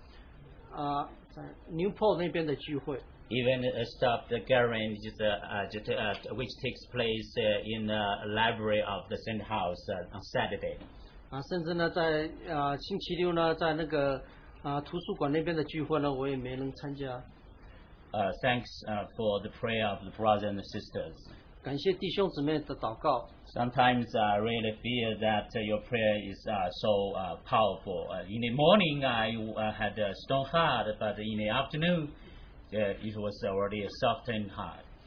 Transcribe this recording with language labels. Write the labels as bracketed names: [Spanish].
[Chinese] 我就是想来分享一点呢，我只想提一下，就是我怎么样的失败呢？包括呢，我能够把一些我在那个微信上面呢跟弟兄姊妹的一些的联系的账号呢都取消掉，也没有去参加一些在Newport那边的聚会。 [English] Even stop the gathering, which takes place in the library of the St. House on Saturday. [Chinese] 甚至呢，在星期六呢，在那个图书馆那边的聚会呢，我也没能参加。 [English] Thanks for the prayer of the brothers and the sisters. [Chinese] 感谢弟兄姊妹的祷告。 [English] Sometimes I really feel that your prayer is so powerful. In the morning I had a stone heart, but in the afternoon it was already a softened heart.